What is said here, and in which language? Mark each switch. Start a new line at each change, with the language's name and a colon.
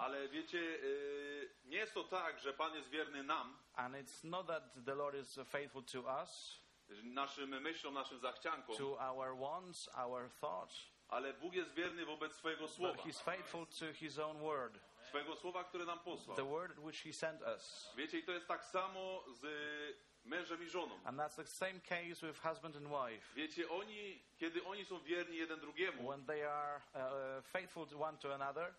Polish: Ale wiecie, nie jest to tak, że Pan jest wierny nam.
English: And it's not that the Lord is faithful to us.
Polish: Naszym myślom, naszym zachciankom.
English: To our wants, our thoughts.
Polish: Ale Bóg jest wierny wobec swojego słowa.
English: But he's faithful to his own word.
Polish: Swojego słowa, które nam posłał.
English: The word which he sent us.
Polish: Wiecie, i to jest tak samo z mężem i żoną.
English: And that's the same case with husband and wife.
Polish: Wiecie, oni, kiedy oni są wierni jeden drugiemu.
English: When they are faithful to one to another.